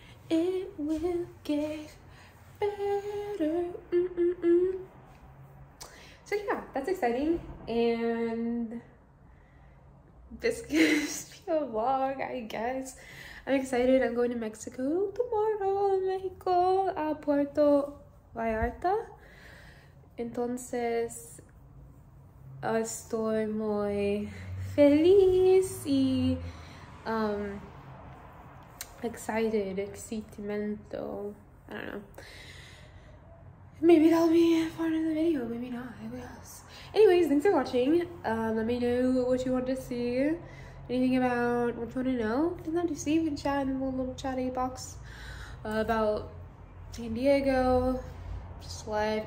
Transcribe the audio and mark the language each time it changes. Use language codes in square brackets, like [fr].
[en] It will get better. Mm-mm-mm. So yeah, that's exciting, and this is a vlog, I guess. I'm excited. I'm going to Mexico tomorrow, Mexico, a Puerto Vallarta. [es] Entonces, estoy muy feliz y excited, excitamento. [en] I don't know. Maybe that'll be part of the video, maybe not, who knows. Anyways, thanks for watching. Let me know what you want to see. Anything about what you want to know. Didn't have to see, we can chat in a little chatty box about San Diego, just life.